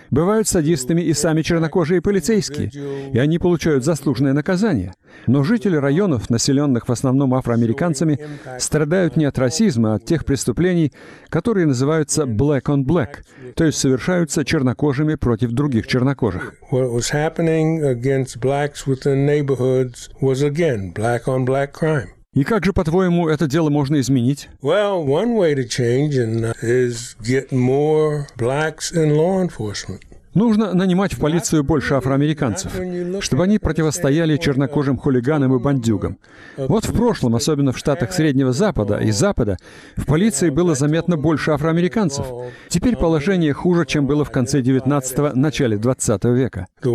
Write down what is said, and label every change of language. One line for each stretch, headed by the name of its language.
Russian: Бывают садистами и сами чернокожие полицейские, и они получают заслуженное наказание. Но жители районов, населенных в основном афроамериканцами, страдают не от расизма, а от тех преступлений, которые называются
English: «black on black»,
Russian: то есть совершаются чернокожими против других чернокожих.
English: What was happening against blacks within neighborhoods was again black on black crime.
Russian: И как же, по-твоему, это дело можно изменить?
English: Well, one way to change is get more blacks in law enforcement.
Russian: Нужно нанимать в полицию больше афроамериканцев, чтобы они противостояли чернокожим хулиганам и бандюгам. Вот в прошлом, особенно в штатах Среднего Запада и Запада, в полиции было заметно больше афроамериканцев. Теперь положение хуже, чем было в конце 19-го, начале 20 века.